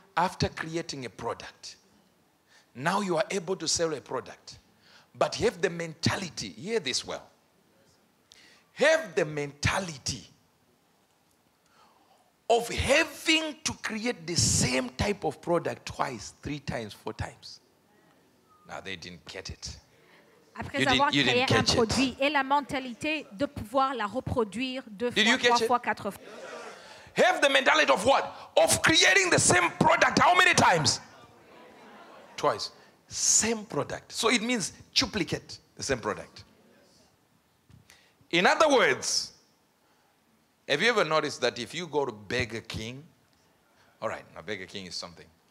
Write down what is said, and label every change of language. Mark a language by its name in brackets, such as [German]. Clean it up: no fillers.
[English] After creating a product, now you are able to sell a product. But have the mentality, hear this well. Have the mentality of having to create the same type of product twice, three times, four times. Now they didn't get it. [French] Après avoir créé un produit et la mentalité de pouvoir la reproduire deux fois, trois fois, quatre fois. [English] Have the mentality of what? Of creating the same product how many times? Twice. Same product. So it means duplicate the same product. In other words, have you ever noticed that if you go to Burger King, all right, now Burger King is something.